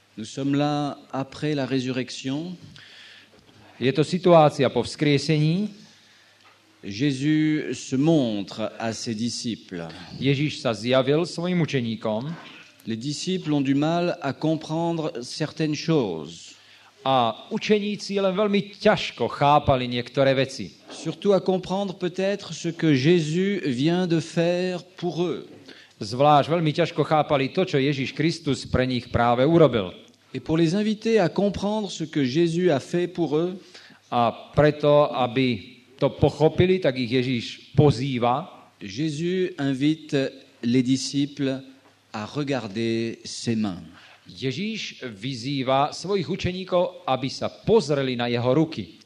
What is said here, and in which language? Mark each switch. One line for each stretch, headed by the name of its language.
French: Nous sommes là après la résurrection.
Slovak: Je to situácia po vzkriesení.
French: Jésus se montre à ses disciples.
Slovak: Ježíš sa zjavil svojim učeníkom.
French: Les disciples ont du mal à comprendre certaines choses.
Slovak: A učeníci len veľmi ťažko chápali niektoré veci.
French: Surtout à comprendre peut-être ce que Jésus vient de faire pour eux.
Slovak: Zvlášť veľmi ťažko chápali to, čo Ježíš Kristus pre nich práve urobil.
French: Et pour les inviter à comprendre ce que Jésus a fait pour eux,
Slovak: a preto, aby to pochopili, tak ich Ježíš pozýva.
French: Jésus invite les disciples à regarder ses mains.
Slovak: Ježíš vyzývá svojich učeníkov, aby sa pozreli na jeho ruky.